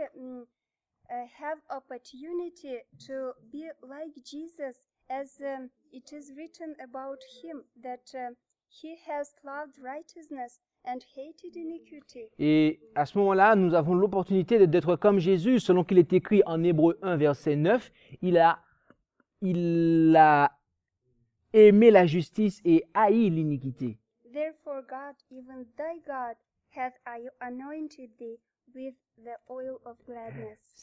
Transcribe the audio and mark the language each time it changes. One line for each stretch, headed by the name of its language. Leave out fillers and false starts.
English: And we have opportunity to be like Jesus. As it is written about him that he has loved righteousness and hated iniquity.
French: Et à ce moment-là, nous avons l'opportunité d'être comme Jésus, selon qu'il est écrit en Hébreux 1 verset 9, il a aimé la justice et haï l'iniquité.
English: Therefore God, even thy God, hath anointed thee with the oil of gladness.